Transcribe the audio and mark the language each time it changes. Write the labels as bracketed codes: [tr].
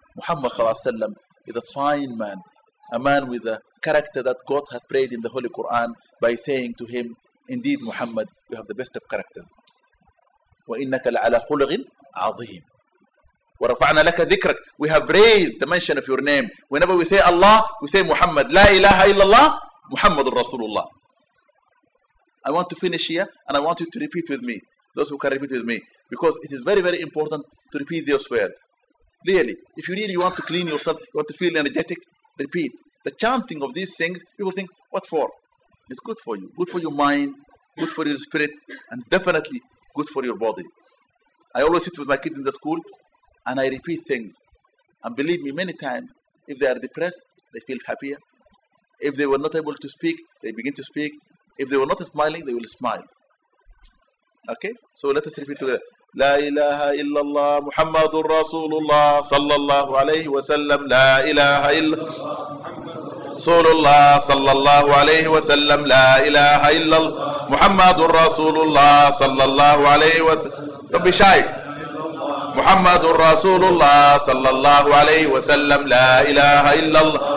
[en] Muhammad sallallahu alayhi wa sallam is a fine man, a man with a character that God has prayed in the Holy Quran by saying to him, indeed, Muhammad, you have the best of characters. [ar] وَإِنَّكَ لَعَلَى خُلْغٍ عَظِيمٍ وَرَفَعْنَا لَكَ ذِكْرَكَ. [en] We have raised the mention of your name. Whenever we say Allah, we say Muhammad. [ar] لا إله إلا الله محمد رسول الله. [en] I want to finish here, and I want you to repeat with me, those who can repeat with me, because it is very, very important to repeat those words. Really, if you really want to clean yourself, you want to feel energetic, repeat. The chanting of these things, people think, what for? It's good for you. Good for your mind, good for your spirit, and definitely good for your body. I always sit with my kids in the school, and I repeat things. And believe me, many times, if they are depressed, they feel happier. If they were not able to speak, they begin to speak. If they were not smiling, they will smile. Okay? So let us repeat together. [ar] لا إله إلا الله محمد رسول الله صلى الله عليه وسلم لا إله إلا الله رسول الله صلى الله عليه وسلم لا إله إلا الله محمد رسول الله صلى الله عليه وسلم. طب شاي محمد رسول الله صلى الله عليه وسلم لا إله إلا الله.